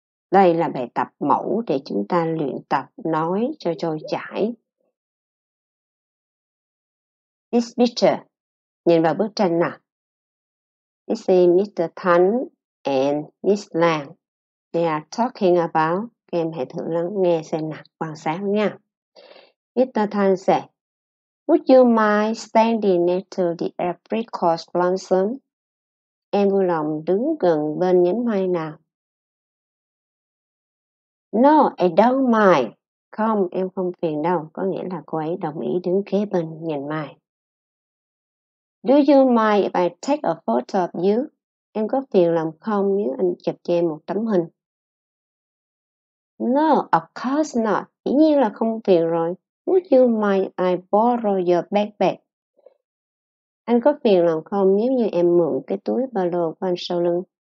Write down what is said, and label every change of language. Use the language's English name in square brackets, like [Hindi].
[Vietnamese] Đây là bài tập mẫu để chúng ta luyện tập nói cho trôi chảy. [English] This picture. [Vietnamese] Nhìn vào bức tranh nào. [English] This is Mr. Tan and Miss Lan. They are talking about. [Vietnamese] Các em hãy thử lắng nghe xem nào. Quan sát nha. Mr. [English] Tan said, would you mind standing next to the apricot blossom? [Vietnamese] Em vui lòng đứng gần bên nhánh mai nào? [English] No, I don't mind. [Vietnamese] Không, em không phiền đâu. Có nghĩa là cô ấy đồng ý đứng kế bên nhánh mai. [English] Do you mind if I take a photo of you? [Vietnamese] Em có phiền lòng không nếu anh chụp cho em một tấm hình? [English] No, of course not. [Vietnamese] Dĩ nhiên là không phiền rồi. [English] Would you mind I borrow your backpack? [Vietnamese] Anh có phiền lòng không nếu như em mượn cái túi ba lô của anh sau lưng?